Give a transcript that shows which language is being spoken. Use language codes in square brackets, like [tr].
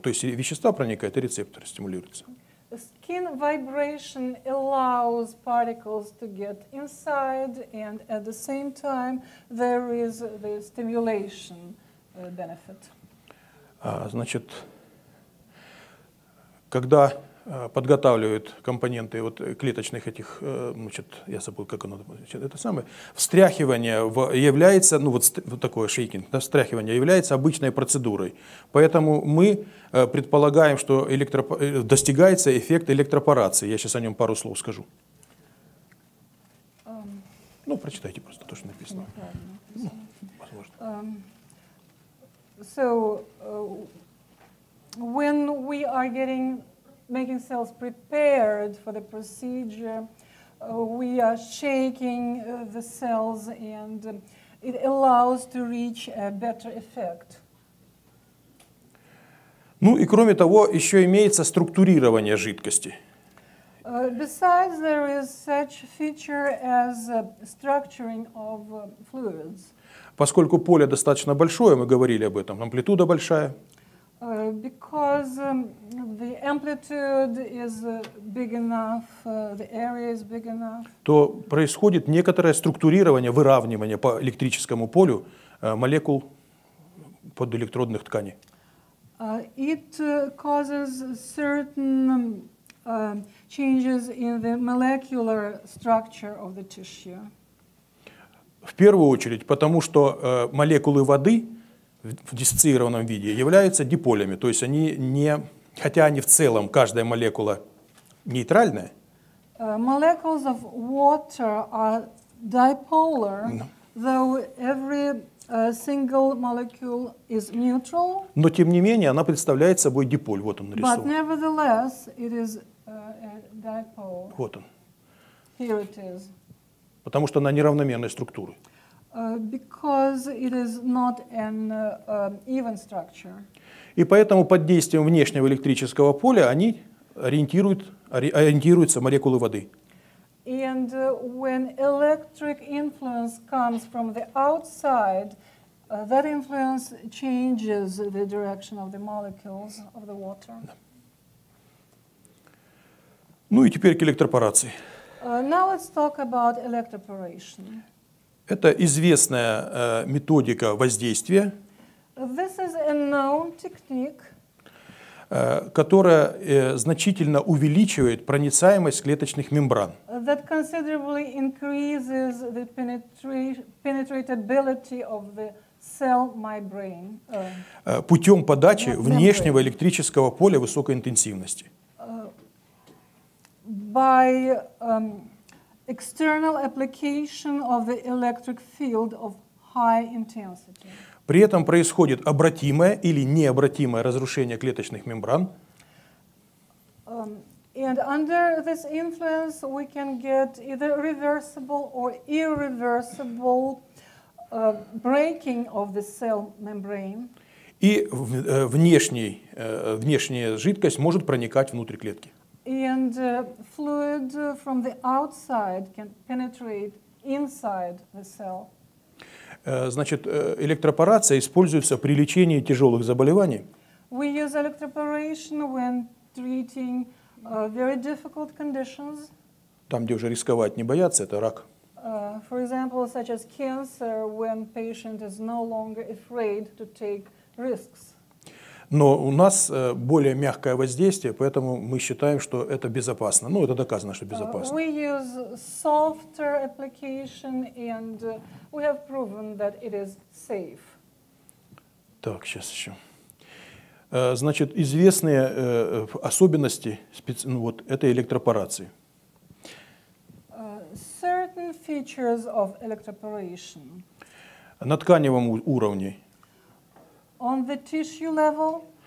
[ru] То есть вещества проникают, и рецепторы стимулируются. [en] Skin vibration allows particles to get inside, and at the same time there is the stimulation benefit. [ru] Значит, когда подготавливают компоненты вот клеточных этих, значит, я забыл, как оно, значит, это самое, встряхивание является, ну вот, вот такое шейкинг, да, встряхивание является обычной процедурой. Поэтому мы предполагаем, что достигается эффект электропорации. Я сейчас о нем пару слов скажу. Ну, прочитайте просто то, что написано. Ну, возможно. [en] When we are getting making cells prepared for the procedure. We are shaking the cells, and it allows to reach a better effect. [ru] Ну и кроме того, еще имеется структурирование жидкости. [en] Besides, there is such feature as structuring of fluids. [ru] Поскольку поле достаточно большое, мы говорили об этом, амплитуда большая. [en] Because the amplitude is big enough, the area is big enough. [ru] То происходит некоторое структурирование, выравнивание по электрическому полю молекул подэлектродных тканей. [en] It causes certain changes in the molecular structure of the tissue. [ru] В первую очередь, потому что молекулы воды в диссоциированном виде являются диполями, то есть они не, хотя они в целом, каждая молекула нейтральная. [en] Molecules of water are dipolar, though every single molecule is neutral. [ru] Но тем не менее она представляет собой диполь. Вот он нарисован. [en] But nevertheless, it is a dipole. [ru] Вот он. [en] Here it is. [ru] Потому что она неравномерной структуры. [en] Because it is not an even structure. [ru] И поэтому под действием внешнего электрического поля они ориентируются молекулы воды. [en] And when electric influence comes from the outside, that influence changes the direction of the molecules of the water. [ru] Ну и теперь к электропорации. [en] Now let's talk about electroporation. [ru] Это известная методика воздействия, [en] this is a known technique, [ru] которая значительно увеличивает проницаемость клеточных мембран. [en] That considerably increases the penetrability of the cell membrane. [ru] Путем подачи внешнего электрического поля высокой интенсивности. [en] By external application of the electric field of high intensity. [ru] При этом происходит обратимое или необратимое разрушение клеточных мембран. [en] And under this influence we can get either reversible or irreversible breaking of the cell membrane. [ru] И внешняя жидкость может проникать внутрь клетки. [en] And fluid from the outside can penetrate inside the cell. [ru] Значит, электропорация используется при лечении тяжелых заболеваний. [en] We use electroporation when treating very difficult conditions. [ru] Там, где уже рисковать не боятся, это рак. [en] For example, such as cancer, when patient is no longer afraid to take risks. [ru] Но у нас более мягкое воздействие, поэтому мы считаем, что это безопасно. Ну, это доказано, что безопасно. [en] We use softer application, and we have proven that it is safe. [ru] Так, сейчас еще. Значит, известные особенности вот этой электропорации. [en] Certain features of electroporation. [ru] На тканевом уровне. [en] On the tissue level.